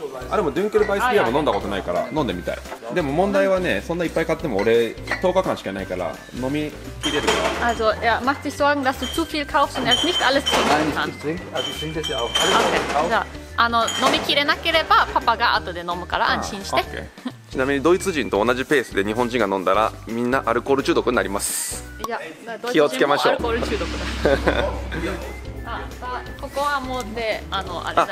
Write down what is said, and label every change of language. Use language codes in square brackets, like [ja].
[ja] あれもドゥンケルバイスビアも飲んだことないから飲んでみたい。でも問題はね、そんないっぱい買っても俺10日間しかないから飲み切れるから。 [de] Also, er macht sich Sorgen, dass du zu viel kaufst und erst nicht alles trinken kannst. Nein, ich trinke das ja auch. Alles okay. [ja] Ja, also, 飲み切れなければパパが後で飲むから安心して。ちなみにドイツ人と同じペースで日本人が飲んだらみんなアルコール中毒になります。いや、気をつけましょう。アルコール中毒だ。あ、ここはもうで、あの、あれだよ。